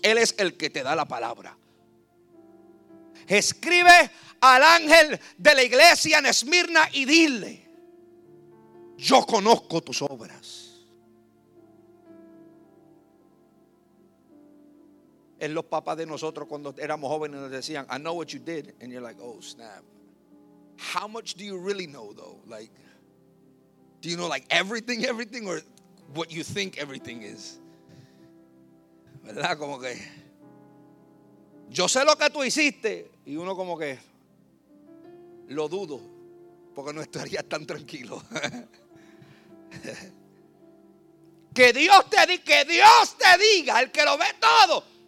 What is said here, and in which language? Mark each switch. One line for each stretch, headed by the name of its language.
Spanish: Él es el que te da la palabra. Escribe al ángel de la iglesia en Esmirna y dile, yo conozco tus obras. En los papás de nosotros cuando éramos jóvenes nos decían,
English: I know what you did. And you're like, oh snap. How much do you really know though? Like, do you know like everything? Or what you think everything is?
Spanish: ¿Verdad? Como que, yo sé lo que tú hiciste. Y uno como que, lo dudo. Porque no estaría tan tranquilo. que Dios te diga, el que lo ve todo.